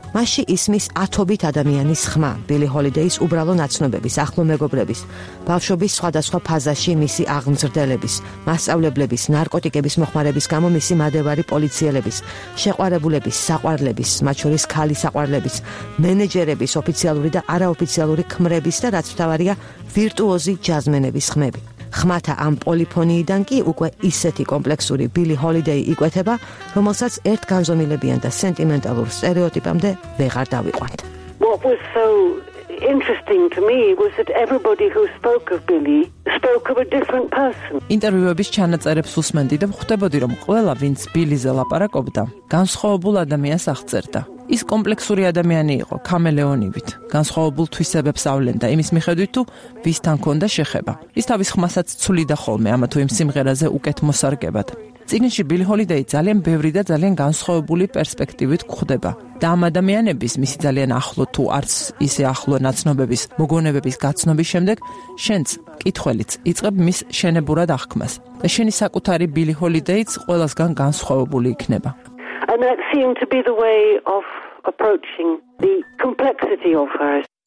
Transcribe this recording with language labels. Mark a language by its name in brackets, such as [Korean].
[Georgian] მასში ისმის ათობით ადამიანის ხმა, ბილი ჰოლიდეის უბრალო ნაცნობების, ახლო მეგობრების, ბავშვობის სხვადასხვა ფაზაში მისი აღმზრდელების, მასწავლებლების, ნარკოტიკების მოხმარების გამო მისი მადევარი პოლიციელების, შეყვარებულების, საყვარლების, მათ შორის ქალი საყვარლების, მენეჯერების ოფიციალური და არაოფიციალური ხმების და რაც მთავარია ვირტუოზი ჯაზმენების ხმები. ხმათა ამ პოლიფონიიდან კი უკვე ისეთი კომპლექსური ბილი ჰოლიდეი იკვეთება, რომელსაც ერთ განზომილებიან და სენტიმენტალურ სტერეოტიპამდე ვეღარ დავიყვანთ. [English] What was so interesting to me was that everybody who spoke of Billy spoke of a different person. [Georgian] ინტერვიუების ჩანაწერებს უსმენდი და ხვდებოდი, რომ ყველა, ვინც ბილიზე ლაპარაკობდა, განსხვავებულ ადამიანს აღწერდა. ის კომპლექსური ადამიანი იყო, ქამელეონივით. განსხვავებულ თვისებებს ავლენდა იმის მიხედვით, თუ ვისთან ჰქონდა შეხება. ის თავის ხმასაც ცვლიდა ხოლმე ამა თუ იმ სიმღერაზე უკეთ მოსარგებად. წიგნში ბილი ჰოლიდეი ძალიან ბევრი და ძალიან განსხვავებული პერსპექტივით გვხვდება. და ამ ადამიანების, მისი ძალიან ახლო თუ არც ისე ახლო ნაცნობების მოგონებების გაცნობის შემდეგ, შენც კითხველიც იწყებ მის შენებურად აღქმას. და შენი საკუთარი ბილი ჰოლიდეიც ყველასგან განსხვავებული იქნება. [English] And that seemed to be the way of approaching the complexity of her.